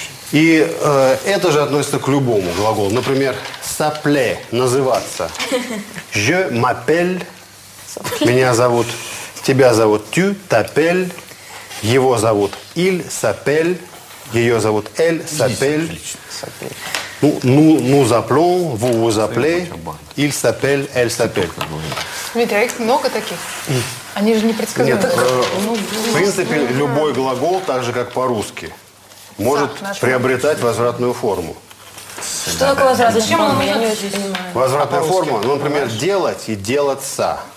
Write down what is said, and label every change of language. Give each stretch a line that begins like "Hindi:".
Russian: И это же относится к любому глаголу. Например, сапле – называться.
French: Je m'appelle
Russian: – меня зовут. Тебя зовут
French: tu t'appelles.
Russian: Его зовут
French: il s'appelle.
Russian: Ее зовут
French: elle s'appelle. Ну, nous appelons, vous vous appelez. Il s'appelle, elle s'appelle.
Russian: Дмитрий, а их много таких? Они же непредсказуемые. Нет, в принципе, любой глагол, так же, как по-русски, может приобретать возвратную форму. Что такое возврат? Зачем он меня не возвратная форма? Ну, например, делать и делаться.